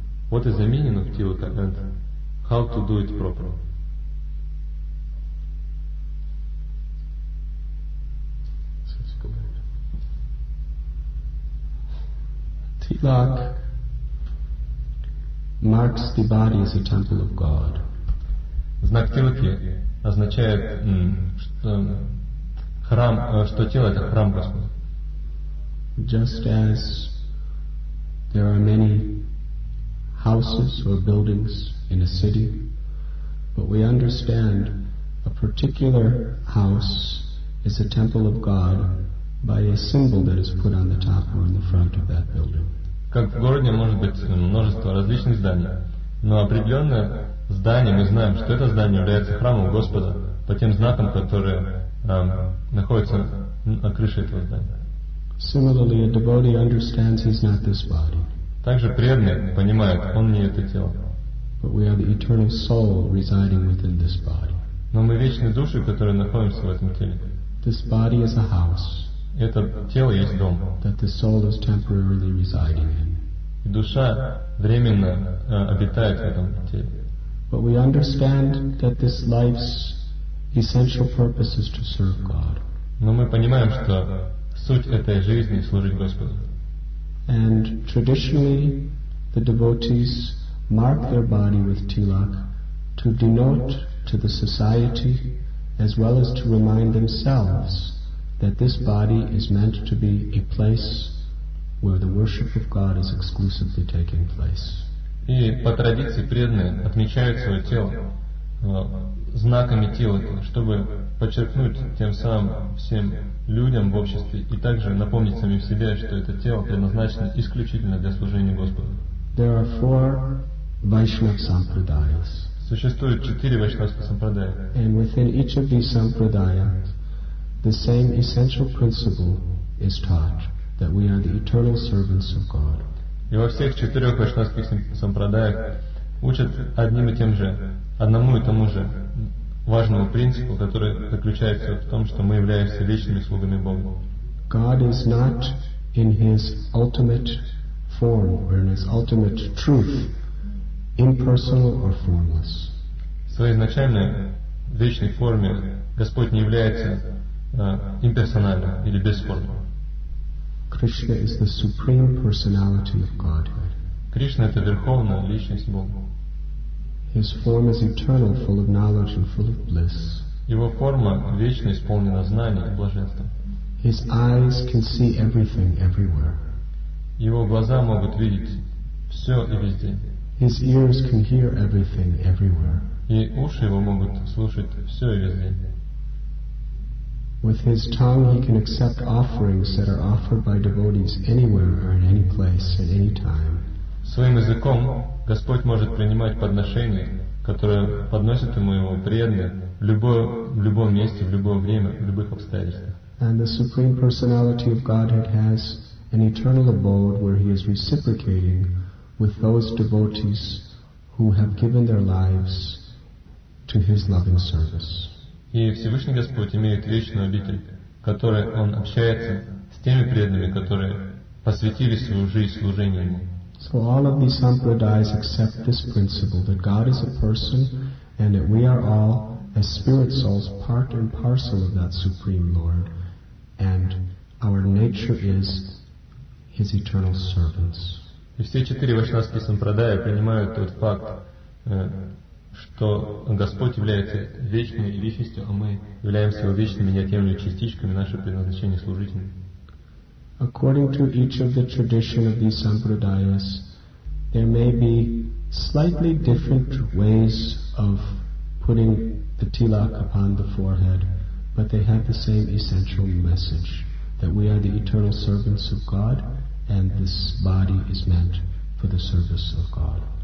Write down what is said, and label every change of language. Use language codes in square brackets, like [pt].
[en] What is the meaning of tilaka and how to do it properly? Tilak marks the body as a temple of God. [ru] Знак тилаки означает, что храм, что тело это храм Господа. [en] Just as there are many houses or buildings in a city, but we understand a particular house is a temple of God by a symbol that is put on the top or on the front of that building. [ru] Как в городе может быть множество различных зданий, но определенное здание, мы знаем, что это здание является храмом Господа по тем знакам, которые находятся на крыше этого здания. [en] Similarly, a devotee understands he's not this body. [ru] Также преданный понимает, он не это тело. [en] But we are the eternal soul residing within this body. [ru] Но мы вечные души, которые находимся в этом теле. [en] This body is a house. [ru] Это тело есть дом. [en] That the soul is temporarily residing in. [ru] И душа временно обитает в этом теле. [en] But we understand that this life's essential purpose is to serve God. [ru] Но мы понимаем, что суть этой жизни — служить Господу. [en] And traditionally, the devotees mark their body with tilak to denote to the society as well as to remind themselves that this body is meant to be a place where the worship of God is exclusively taking place. [ru] И по традиции преданные отмечают свое тело знаками тела, чтобы подчеркнуть тем самым всем людям в обществе и также напомнить самим себе, что это тело предназначено исключительно для служения Господу. [en] There are four Vaishnava sampradayas. [ru] Существует четыре Вайшнавские сампрадая. [en] And within each of these sampradayas, the same essential principle is taught that we are the eternal servants of God. [ru] И во всех четырех Вайшнавских сампрадаях учат одним и тем же, одному и тому же важному принципу, который заключается в том, что мы являемся вечными слугами Бога. [en] God is not in His ultimate form or in His ultimate truth, impersonal or formless. [ru] В своей изначальной вечной форме Господь не является имперсональным или бесформным. [en] Krishna is the supreme personality of Godhead. [ru] Кришна — это верховная личность Бога. [en] His form is eternal, full of knowledge and full of bliss. [ru] Его форма вечно исполнена знаний и блаженства. [en] His eyes can see everything everywhere. [ru] Его глаза могут видеть все и везде. [en] His ears can hear everything everywhere. [ru] И уши его могут слушать все и везде. [en] With his tongue he can accept offerings that are offered by devotees anywhere or in any place at any time. [ru] Своим языком Господь может принимать подношения, которые подносят ему его преданные в любом месте, в любое время, в любых обстоятельствах. [en] And the supreme personality of Godhead has an eternal abode where he is reciprocating with those devotees who have given their lives to his loving service. [ru] И Всевышний Господь имеет вечную обитель, в которой он общается с теми преданными, которые посвятили свою жизнь служению ему. [en] So all of these sampradayas accept this principle that God is a person and that we are all, as spirit souls, part and parcel of that Supreme Lord and our nature is His eternal servants. [ru] И все четыре вайшнавские сампрадая принимают тот факт, что Господь является вечной личностью, а мы являемся Его вечными неотъемлемыми частичками нашего предназначения служить Ему. [en] According to each of the tradition of these sampradayas, there may be slightly different ways of putting the tilak upon the forehead, but they have the same essential message, that we are the eternal servants of God, and this body is meant for the service of God.